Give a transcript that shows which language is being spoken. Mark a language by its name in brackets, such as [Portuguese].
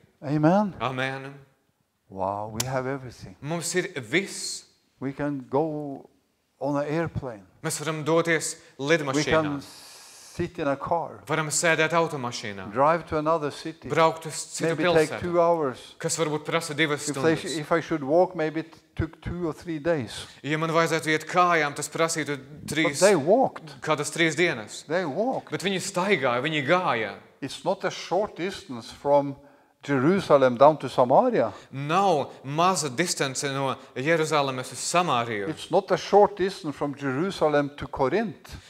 [English] Amen. Amen. Wow, we have everything. [Latvian] Mums ir viss. [English] We can go on an airplane. [Latvian] Mēs varam doties lidmašīnā. [English] We can sit in a car. [Latvian] Varam sēdēt automašīnā. [English] Drive to another city. [Latvian] Braukt uz citu [English] maybe [Latvian] pilsētu. [English] Take 2 hours. [Latvian] Kas varbūt prasa divas [English] if [Latvian] stundas. [English] If I should walk, maybe it took 2 or 3 days. [Latvian] Ja man vajadzētu iet kājām, tas prasītu trīs. [English] But they walked. [Latvian] Kādas trīs dienas. [English] They walked. [Latvian] Bet viņi staigāja, viņi gāja. [English] It's not a short distance from Jerusalem down to Samaria. [Latvian] Nav maza distance no Jeruzalemes uz Samāriju. [English] It's not a short distance from Jerusalem to Corinth.